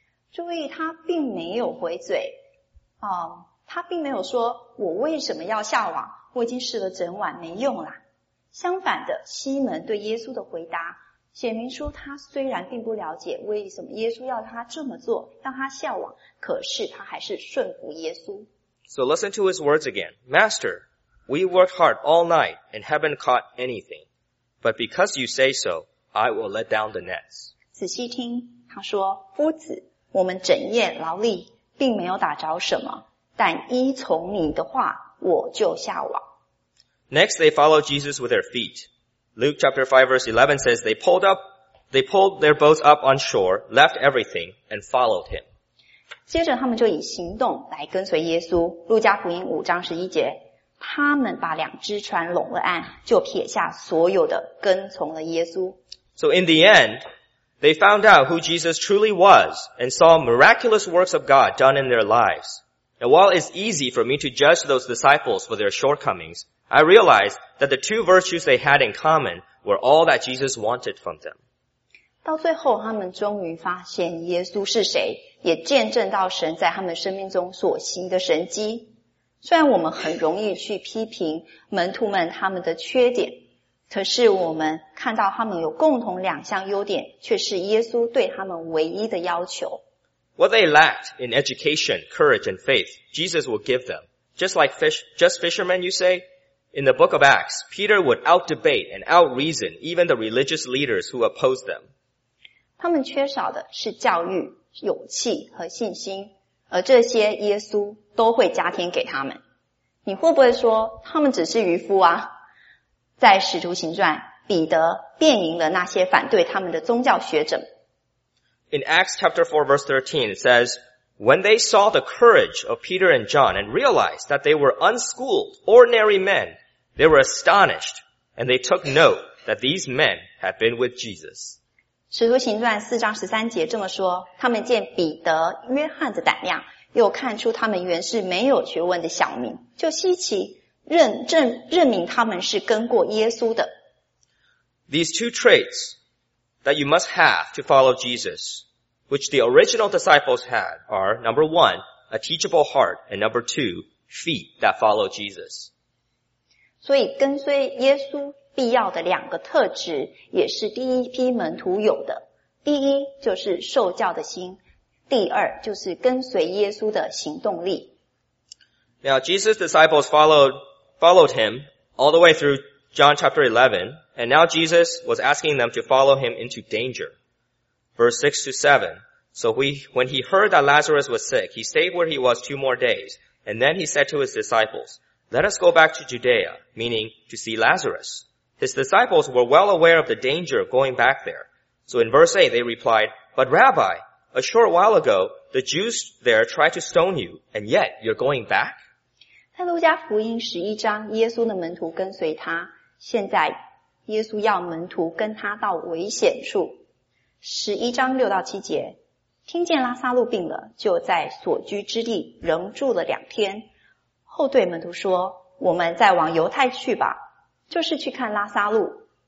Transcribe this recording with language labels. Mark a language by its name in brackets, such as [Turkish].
[Chinese] 注意他并没有回嘴，他并没有说我为什么要下网，我已经试了整晚没用啦。相反的，西门对耶稣的回答，显明出他虽然并不了解为什么耶稣要他这么做，让他下网。 [English] So listen to his words again. Master, We worked hard all night and haven't caught anything. But because you say so, I will let down the nets. [Chinese] 仔细听，他说，夫子，我们整夜劳力，并没有打着什么，但依从你的话，我就下网。 [English] Next, they followed Jesus with their feet. Luke chapter 5 verse 11 says, they pulled their boats up on shore, left everything, and followed him. [Chinese] 接着他们就以行动来跟随耶稣。路加福音5章11节，他们把两只船拢了岸，就撇下所有的，跟从了耶稣。 [English] So in the end, they found out who Jesus truly was and saw miraculous works of God done in their lives. And while it's easy for me to judge those disciples for their shortcomings, I realized that the two virtues they had in common were all that Jesus wanted from them. [Chinese] 到最后他们终于发现耶稣是谁，也见证到神在他们生命中所行的神迹。虽然我们很容易去批评门徒们他们的缺点，可是我们看到他们有共同两项优点，却是耶稣对他们唯一的要求。 [English] What they lacked in education, courage, and faith, Jesus will give them. Just fishermen, you say? In the book of Acts, Peter would out-debate and out-reason even the religious leaders who opposed them. [Chinese] 他们缺少的是教育、勇气和信心，而这些耶稣都会加添给他们。你会不会说他们只是渔夫啊？在《使徒行传》，彼得辨明了那些反对他们的宗教学者。 [English] In Acts chapter 4 verse 13, it says, When they saw the courage of Peter and John and realized that they were unschooled, ordinary men, they were astonished, and they took note that these men had been with Jesus. [Chinese] 使徒行传4章13节这么说，他们见彼得、约翰的胆量，又看出他们原是没有学问的小民，就稀奇，认明他们是跟过耶稣的。 [English] These two traits that you must have to follow Jesus, which the original disciples had, are number one, a teachable heart, and number two, feet that follow Jesus. [Chinese] 所以跟随耶稣必要的两个特质也是第一批门徒有的。第一就是受教的心，第二就是跟随耶稣的行动力。 [English] Now, Jesus' disciples followed him all the way through John chapter 11, and now Jesus was asking them to follow him into danger. Verse 6 to 7, So when he heard that Lazarus was sick, he stayed where he was 2 more days, and then he said to his disciples, Let us go back to Judea, meaning to see Lazarus. His disciples were well aware of the danger of going back there. So in verse 8, they replied, But Rabbi, a short while ago, the Jews there tried to stone you, and yet you're going back? [Chinese] 在路加福音11章，耶稣的门徒跟随他，现在耶稣要门徒跟他到危险处。 11章6到7节，听见拉撒路病了，就在所居之地仍住了两天，后对门徒说，我们再往犹太去吧，就是去看拉撒路。